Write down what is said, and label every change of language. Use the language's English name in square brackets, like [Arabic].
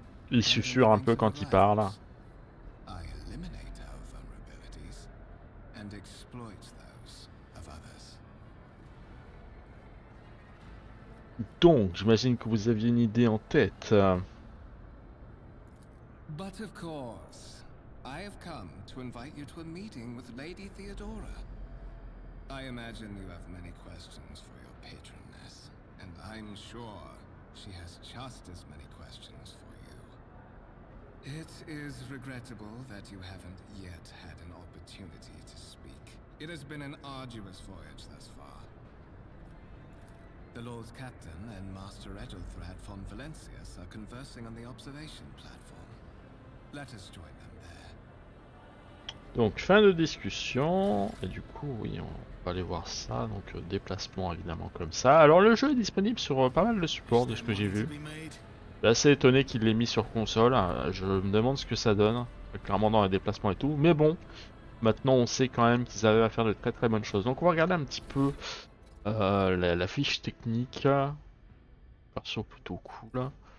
[French] Il susurre un peu quand il parle. [English] I eliminate our vulnerabilities and exploit those of others. [French] Donc, j'imagine que vous aviez une idée en tête. [English] But of course, I have come to invite you to a meeting with Lady Theodora. I imagine you have many questions for your patroness, and I'm sure she has just as many questions for you. It is regrettable that you haven't yet had an opportunity to speak. It has been an arduous voyage thus far. The Lord's Captain and Master Edelthrad von Valencius are conversing on the observation platform. Let us join them there. [French] Donc, fin de discussion. Et du coup, oui, on va aller voir ça. Donc, déplacement, évidemment, comme ça. Alors, le jeu est disponible sur pas mal de supports, de ce que j'ai vu. Assez étonné qu'il l'ait mis sur console, je me demande ce que ça donne, clairement dans les déplacements et tout, mais bon, maintenant on sait quand même qu'ils arrivent à faire de très très bonnes choses. Donc on va regarder un petit peu la fiche technique, version plutôt cool.